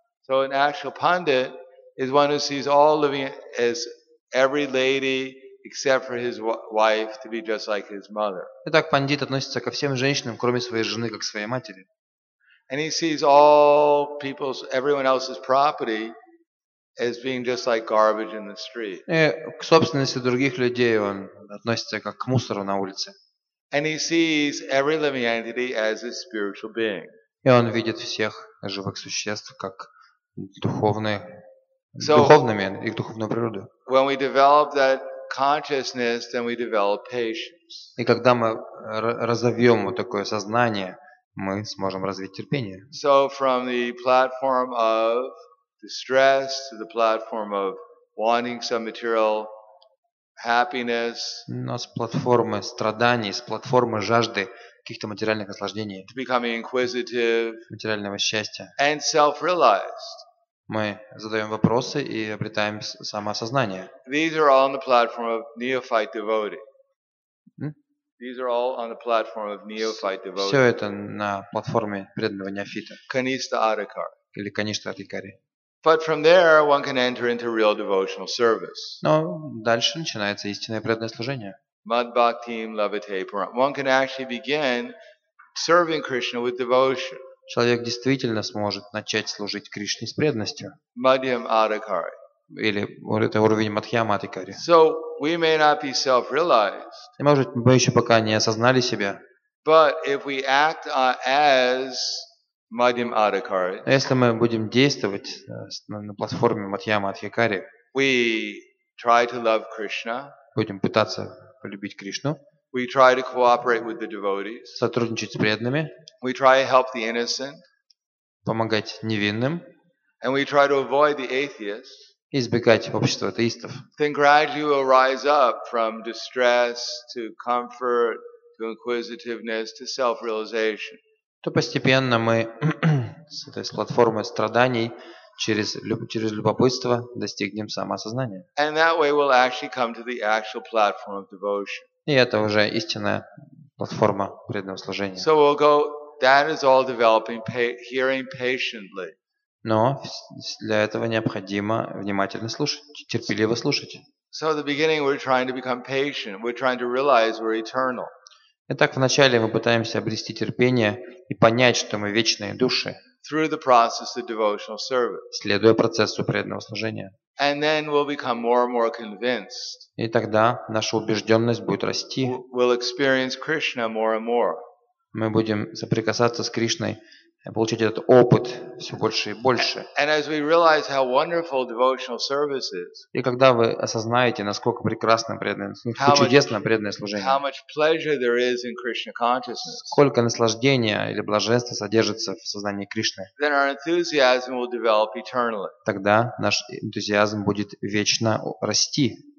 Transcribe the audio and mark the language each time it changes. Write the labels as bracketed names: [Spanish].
[English] So an actual pandit is one who sees all living as every lady except for his wife to be just like his mother. [Russian] Итак, пандит относится ко всем женщинам, кроме своей жены, как к своей матери. [English] And he sees all people's, everyone else's property as being just like garbage in the street. [Russian] И к собственности других людей он относится как к мусору на улице. [English] And he sees every living entity as a spiritual being. [Russian] И он видит всех живых существ как духовными, их духовную природу. [English] When we develop that consciousness, then we develop patience. [Russian] И когда мы разовьем вот такое сознание, мы сможем развить терпение. [English] So from the platform of distress to the platform of wanting some material happiness. [Russian] Но с платформы страданий, с платформы жажды каких-то материальных наслаждений. [English] To becoming inquisitive. [Russian] Материального счастья. [English] And self-realized. [Russian] Мы задаем вопросы и обретаем самоосознание. [English] These are all on the platform of neophyte devotee. These are all on the platform of neophyte devotee. [Russian] Все это на платформе преданного неофита. [Sanskrit] Kanista Adhikari. [Russian] Или Kanista Adhikari. [English] But from there, one can enter into real devotional service. [Russian] Но дальше начинается истинное преданное служение. [Sanskrit] Mad bhaktim lavate param. [English] One can actually begin serving Krishna with devotion. [Russian] Человек действительно сможет начать служить Кришне с преданностью. [Sanskrit] Madhyam Adhikari. [Russian] Или это уровень Мадхьяма Адхикари. [English] So we may not be self-realized. [Russian] И может мы еще пока не осознали себя. [English] But if we act as Madhyam Adhikari. [Russian] Если мы будем действовать на платформе Мадхьяма Адхикари. [English] We try to love Krishna. [Russian] Будем пытаться полюбить Кришну. [English] We try to cooperate with the devotees. [Russian] Сотрудничать с преданными. [English] We try to help the innocent. [Russian] Помогать невинным. [English] And we try to avoid the atheists. [Russian] Избегать общества атеистов. [English] Then gradually we'll rise up from distress to comfort to inquisitiveness to self-realization. [Russian] То постепенно мы с этой платформы страданий через любопытство достигнем самоосознания. [English] And that way we'll actually come to the actual platform of devotion. [Russian] И это уже истинная платформа преданного служения. [English] So we'll go, that is all developing hearing patiently. [Russian] Но для этого необходимо внимательно слушать, терпеливо слушать. [English] So at the beginning we're trying to become patient, we're trying to realize we're eternal. [Russian] Итак, вначале мы пытаемся обрести терпение и понять, что мы вечные души. [English] Through the process of devotional service. [Russian] Следуя процессу преданного служения. [English] And then we'll become more and more convinced. [Russian] И тогда наша убежденность будет расти. [English] We'll experience Krishna more and more. [Russian] Мы будем соприкасаться с Кришной, получить этот опыт все больше и больше. [English] And as we realize how wonderful devotional service is. [Russian] И когда вы осознаете, насколько прекрасным чудесным преданное служение. [English] How much pleasure there is in Krishna consciousness. [Russian] Сколько наслаждения или блаженства содержится в сознании Кришны. [English] Then our enthusiasm will develop eternally. [Russian] Тогда наш энтузиазм будет вечно расти.